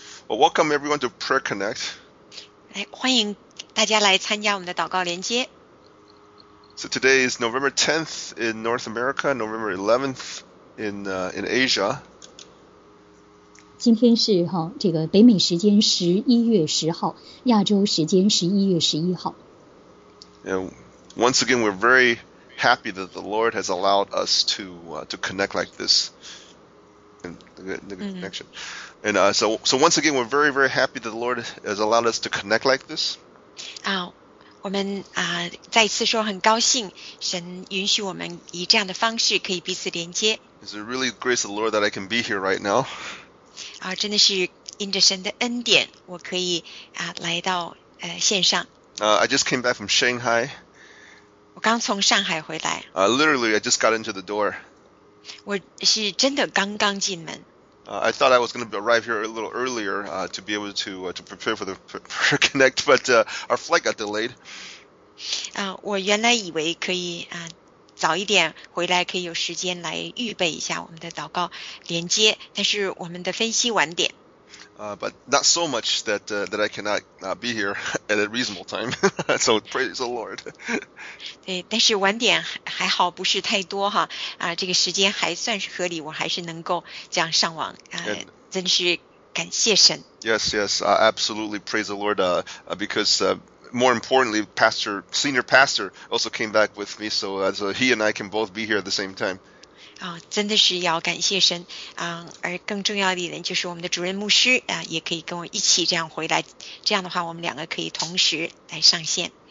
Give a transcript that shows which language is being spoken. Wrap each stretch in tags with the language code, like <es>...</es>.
<en>Welcome everyone to Prayer Connect.</en> <zh>欢迎大家来参加我们的祷告连接。</zh> <en>So today is November 10th in North America, November 11th in Asia.</en> <zh>今天是这个北美时间11月10号，亚洲时间11月11号。</zh> <en>And once again, we're very happy that the Lord has allowed us to connect like this. And the connection. And so once again, we're very, very happy that the Lord has allowed us to connect like this.</en> <zh>我们再次说很高兴，神允许我们以这样的方式可以彼此连接。</zh> <en>It's a really grace of the Lord that I can be here right now.</en> <zh>真的是因着神的恩典，我可以来到线上。</zh> <en>I just came back from Shanghai.</en> <zh>我刚从上海回来。</zh> <en>Literally, I just got into the door.</en> <zh>我是真的刚刚进门。</zh> <en>I thought I was going to arrive here a little earlier to be able to prepare for the prayer connect, but our flight got delayed.</en> <zh>我原来以为可以早一点回来，可以有时间来预备一下我们的祷告连接，但是我们的飞机晚点。</zh> <en>But not so much that that I cannot be here at a reasonable time. So praise the Lord.</en> <zh>对，但是晚点还好，不是太多哈。这个时间还算是合理，我还是能够这样上网。真是感谢神。</zh> <en>Yes, yes, absolutely praise the Lord. Because more importantly, senior pastor also came back with me, so he and I can both be here at the same time.</en> <zh>真的是要感谢神，而更重要的一点就是我们的主任牧师也可以跟我一起这样回来，这样的话我们两个可以同时来上线。</zh>